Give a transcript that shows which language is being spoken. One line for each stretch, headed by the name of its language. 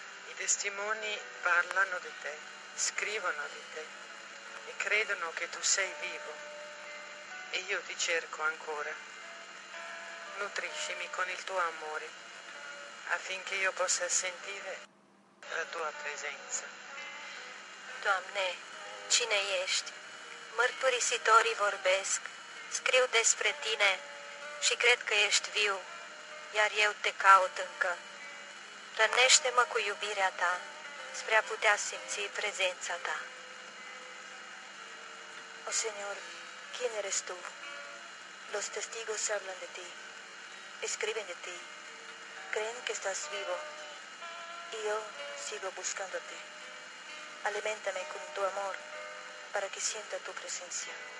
Italian: I testimoni parlano di te, scrivono di te e credono che tu sei vivo. E io ti cerco ancora. Nutriscimi con il tuo amore, affinché io possa sentire la tua presenza.
Romanian: Doamne, cine ești? Mărturisitorii vorbesc, scriu despre tine și cred că ești viu, iar eu te caut încă. Rănește-mă cu iubirea ta, spre a putea simți prezența ta.
Spanish: O Señor, ¿quién eres tú? Los testigos hablan de ti, escriben de ti, creen que estás vivo. Y yo sigo buscándote. Aliméntame con tu amor, para que sienta tu presencia.